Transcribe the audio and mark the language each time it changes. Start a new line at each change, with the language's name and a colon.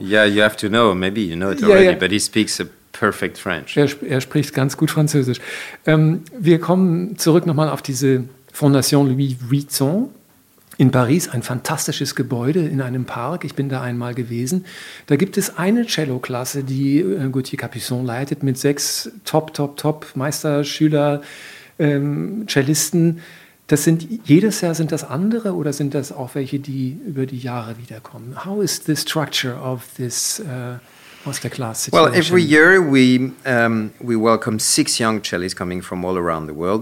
English: Yeah, you have to know, maybe you know it already, yeah. But he speaks a perfect French.
German: Er spricht ganz gut Französisch. Wir kommen zurück nochmal auf diese Fondation Louis Vuitton in Paris. Ein fantastisches Gebäude in einem Park. Ich bin da einmal gewesen. Da gibt es eine Cello-Klasse, die Gauthier Capuçon leitet, mit 6 Top-Meisterschüler-Cellisten. Das sind jedes Jahr sind das andere oder sind das auch welche, die über die Jahre wiederkommen?
English: How is the structure of this masterclass situation? Well, every year we welcome 6 young cellists coming from all around the world.